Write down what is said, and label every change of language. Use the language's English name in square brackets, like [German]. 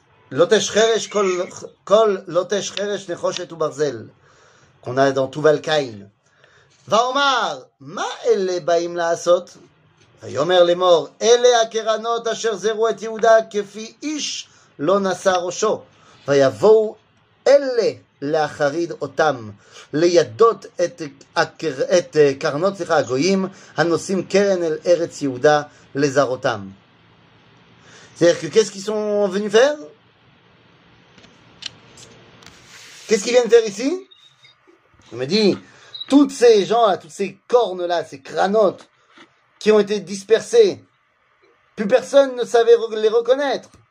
[Hebrew] Lotesh cheresh kol lotesh cheresh nechoshet ubarzel, [French] qu'on a dans [Hebrew] Tuval Kain. Va Omar, ma ele baim laasot. ויאמר לאמור, אלה הקרנות אשר זרו את יהודה כפי איש לא נשא ראשו, ויבואו אלה להחריד אותם, לידות את קרנות הגויים הנושאים קרן אל ארץ יהודה לזרותם. [French] C'est-à-dire que qu'est-ce qu'ils sont venus faire? Qu'est-ce qu'ils viennent faire ici? Il me dit, toutes ces gens-là, toutes ces cornes-là, ces cranotes, qui ont été dispersés. Plus personne ne savait les reconnaître.